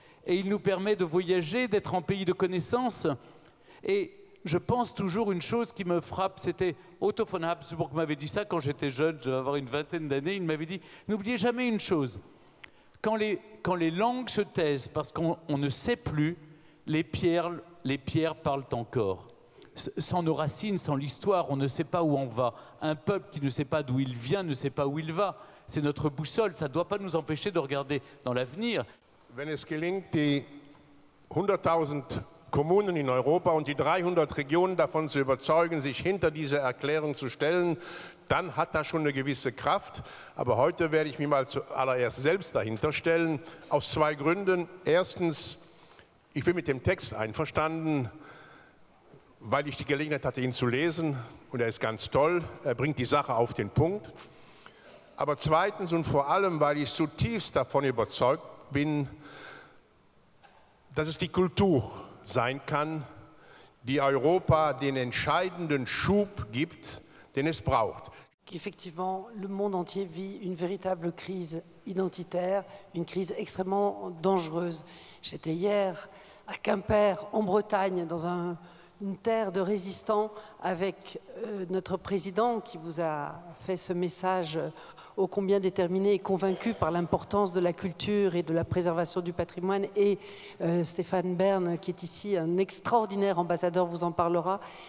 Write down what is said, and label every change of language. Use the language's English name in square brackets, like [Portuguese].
[French] Et il nous permet de voyager, d'être en pays de connaissance. Et je pense toujours une chose qui me frappe, c'était Otto von Habsburg qui m'avait dit ça quand j'étais jeune, je devais avoir une vingtaine d'années, il m'avait dit, n'oubliez jamais une chose, quand les langues se taisent parce qu'on ne sait plus, les pierres parlent encore. Sans nos racines, sans l'histoire, on ne sait pas où on va. Un peuple qui ne sait pas d'où il vient, ne sait pas où il va. C'est notre boussole, ça ne doit pas nous empêcher de regarder dans l'avenir. [German] Wenn es gelingt, die 100.000 Kommunen in Europa und die 300 Regionen davon zu überzeugen, sich hinter diese Erklärung zu stellen, dann hat das schon eine gewisse Kraft. Aber heute werde ich mich mal zuallererst selbst dahinter stellen, aus zwei Gründen. Erstens, ich bin mit dem Text einverstanden, weil ich die Gelegenheit hatte, ihn zu lesen. Und er ist ganz toll, er bringt die Sache auf den Punkt. Aber zweitens und vor allem, weil ich zutiefst davon überzeugt bin, dass es die Kultur sein kann, die Europa den entscheidenden Schub gibt, den es braucht. [French] Effectivement, le monde entier vit une véritable crise identitaire, une crise extrêmement dangereuse. J'étais hier à Quimper, en Bretagne, dans une terre de résistants, avec notre président qui vous a fait ce message ô combien déterminé et convaincu par l'importance de la culture et de la préservation du patrimoine, et Stéphane Bern, qui est ici un extraordinaire ambassadeur, vous en parlera.